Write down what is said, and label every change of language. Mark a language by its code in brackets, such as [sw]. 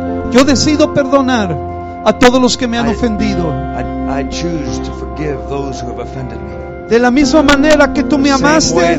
[es] Yo decido perdonar a todos los que me han ofendido. [en] I choose to forgive those who have offended me. [es] De la misma manera que tú me amaste,